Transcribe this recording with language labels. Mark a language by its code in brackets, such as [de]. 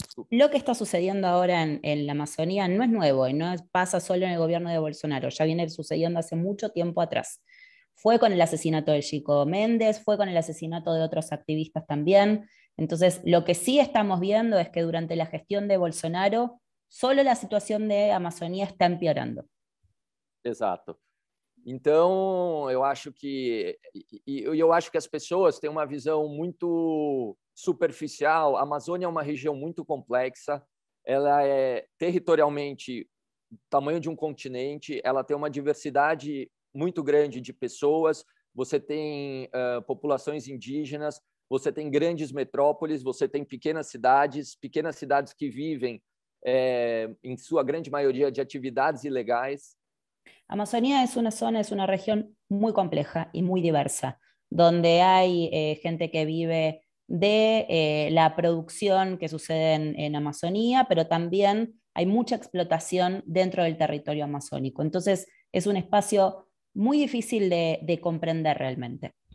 [es] Lo que está sucediendo ahora en la Amazonia no es nuevo y no pasa solo en el gobierno de Bolsonaro, ya viene sucediendo hace mucho tiempo atrás. Fue con el asesinato de Chico Mendes, fue con el asesinato de otros activistas también. Entonces, lo que sí estamos viendo es que durante la gestión de Bolsonaro, solo la situación de Amazonia está empeorando. Exacto. [pt] Então, eu acho que as pessoas têm uma visão muito superficial. A Amazônia é uma região muito complexa, ela é territorialmente do tamanho de um continente, ela tem uma diversidade muito grande de pessoas, você tem populações indígenas, você tem grandes metrópoles, você tem pequenas cidades que vivem, em sua grande maioria, de atividades ilegais. [es] Amazonía es una región muy compleja y muy diversa, donde hay gente que vive de la producción que sucede en Amazonía, pero también hay mucha explotación dentro del territorio amazónico. Entonces, es un espacio muy difícil de comprender realmente.